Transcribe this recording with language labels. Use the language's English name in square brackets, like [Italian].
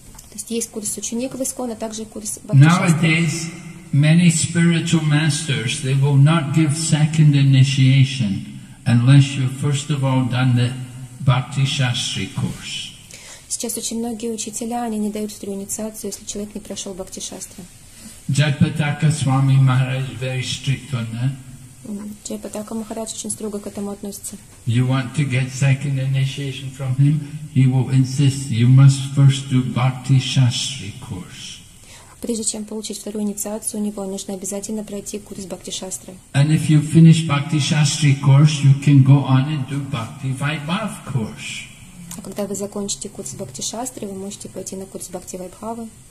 [Russian] То есть есть курс ученик в ISKCON, а также курс Бхакти Шастри. [English] Nowadays, many spiritual masters they will not give second initiation unless you first of all done the Bhakti Shastri course. [Russian] Сейчас очень многие учителя они не дают вторую инициацию, если человек не прошел Бхакти Шастри. [English] Jayapataka Swami Maharaj very strict on that. [Russian] Джайпатака Махарадж очень строго к этому относится. [English] You want to get second initiation from him, he will insist you must first do Bhakti Shastri course. [Russian] Прежде чем получить вторую инициацию, у него нужно обязательно пройти курс Бхакти Шастры. [English] And if you finish Bhakti Shastri course, you can go on and do Bhakti Vaibhav course. [Russian] А когда вы закончите курс Бхакти Шастры, вы можете пойти на курс Бхакти Вайбхавы.